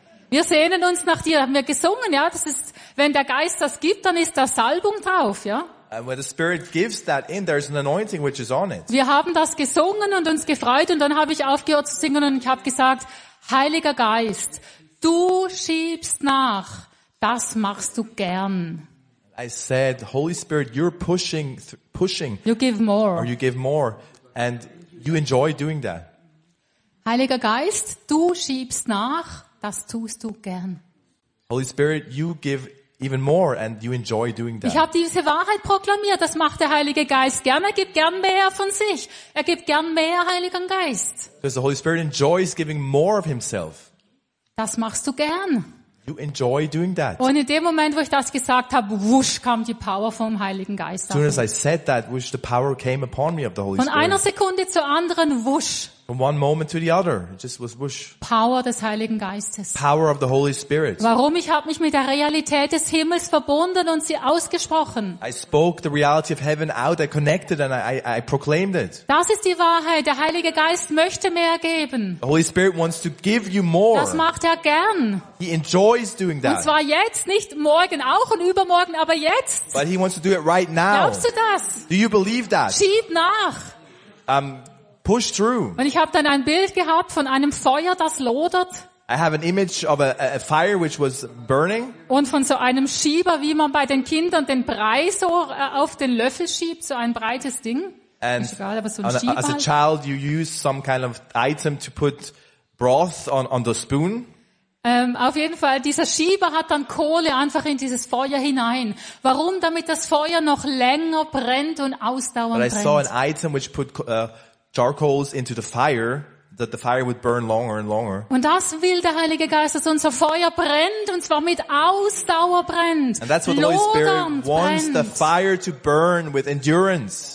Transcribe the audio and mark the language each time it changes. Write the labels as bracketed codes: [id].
[de] Wir sehnen uns nach dir, haben wir gesungen, ja. Das ist, wenn der Geist das gibt, dann ist da Salbung drauf, ja. [en] And when the Spirit gives that in, there's an anointing which is on it. [de] Wir haben das gesungen und uns gefreut und dann habe ich aufgehört zu singen und ich habe gesagt, Heiliger Geist, du schiebst nach, das machst du gern. [en] I said, Holy Spirit, you're pushing. You give more. Or you give more. And you enjoy doing that. [de] Heiliger Geist, du schiebst nach, das tust du gern. [en] Holy Spirit, you give even more and you enjoy doing that. [de] Ich habe diese Wahrheit proklamiert, das macht der Heilige Geist gerne, er gibt gern mehr von sich. Er gibt gern mehr Heiligen Geist. [en] Because the Holy Spirit enjoys giving more of himself. [de] Das machst du gern. [en] You enjoy doing that. [de] Und in dem Moment, wo ich das gesagt habe, wusch, kam die Power vom Heiligen Geist. [en] As soon as I said that, wusch, the power came upon me of the Holy Spirit. [de] Von einer Sekunde zur anderen, wusch. [en] From one moment to the other, it just was wusch. [de] Power des Heiligen Geistes. [en] Power of the Holy Spirit. [de] Warum? Ich habe mich mit der Realität des Himmels verbunden und sie ausgesprochen. [en] I spoke the reality of heaven out, I connected and I proclaimed it. [de] Das ist die Wahrheit. Der Heilige Geist möchte mehr geben. [en] The Holy Spirit wants to give you more. [de] Das macht er gern. [en] He enjoys doing that. [de] Und zwar jetzt, nicht morgen auch und übermorgen, aber jetzt. [en] But he wants to do it right now. [de] Glaubst du das? [en] Do you believe that? [de] Schieb nach. [en] Push through. [de] Und ich habe dann ein Bild gehabt von einem Feuer, das lodert. [en] I have an image of a fire which was burning. [de] Und von so einem Schieber, wie man bei den Kindern den Brei so auf den Löffel schiebt, so ein breites Ding. [en] And [de] egal, aber so ein Schieber. [en] As a child, you use some kind of item to put broth on the spoon. [de] Auf jeden Fall, dieser Schieber hat dann Kohle einfach in dieses Feuer hinein. Warum? Damit das Feuer noch länger brennt und ausdauernd brennt. [en] But I saw an item which put charcoals into the fire, that the fire would burn longer and longer. [de] Und das will der Heilige Geist, dass unser Feuer brennt, und zwar mit Ausdauer brennt. [en] And that's what the Holy Spirit wants, the fire to burn with endurance.